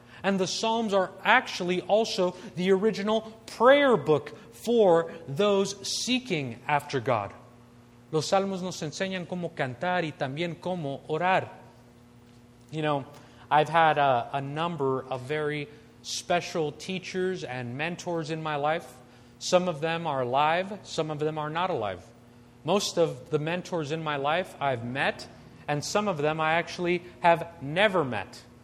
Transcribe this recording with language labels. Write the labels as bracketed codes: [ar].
[en] And the Psalms are actually also the original prayer book for those seeking after God. [es] Los Salmos nos enseñan cómo cantar y también cómo orar. [en] You know, I've had a number of very special teachers and mentors in my life. Some of them are alive, some of them are not alive. Most of the mentors in my life I've met, and some of them I actually have never met.